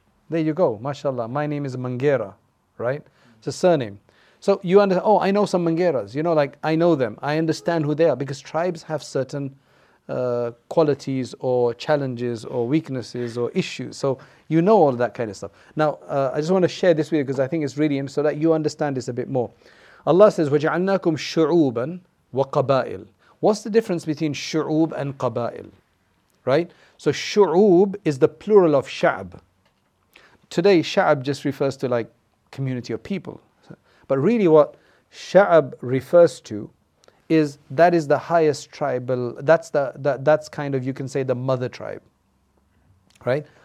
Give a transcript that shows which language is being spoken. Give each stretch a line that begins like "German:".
English: There you go. MashaAllah. My name is Mangera. Right? Mm-hmm. It's a surname. So you understand. Oh, I know some Mangeras. You know, like, I know them. I understand who they are. Because tribes have certain qualities or challenges or weaknesses or issues. So you know all that kind of stuff. Now, I just want to share this with you because I think it's really interesting so that you understand this a bit more.
Arabic: Allah says, وَجَعَلْنَاكُمْ شُعُوبًا وَقَبَائِلٍ.
English: What's the difference between shu'ub and qaba'il? Right? So shu'ub is the plural of sha'ab. Today, sha'ab just refers to like community of people. But really what sha'ab refers to is that is the highest tribal, that's kind of, you can say, the mother tribe, right?